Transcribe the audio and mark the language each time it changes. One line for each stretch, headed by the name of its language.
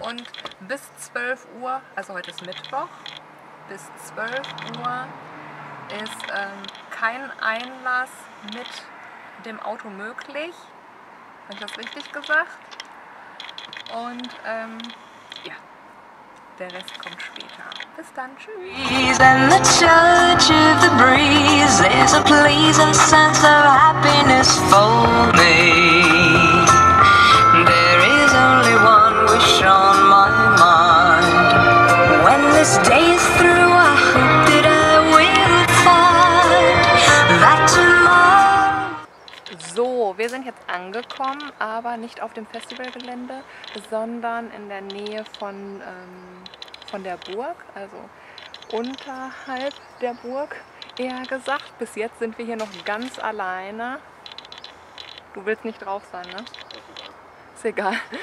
German: Und bis 12 Uhr, also heute ist Mittwoch, bis 12 Uhr ist kein Einlass mit dem Auto möglich. Habe ich das richtig gesagt? Und der Rest kommt später. Bis dann. Tschüss.
English: And the touch of the breeze is a pleasant sense of happiness for me. There is only one wish on my mind. When this day is through, I hope that I will find that tomorrow.
German: So, wir sind jetzt angekommen, aber nicht auf dem Festivalgelände, sondern in der Nähe von der Burg, also unterhalb der Burg, eher gesagt. Bis jetzt sind wir hier noch ganz alleine. Du willst nicht drauf sein, ne? Ist egal.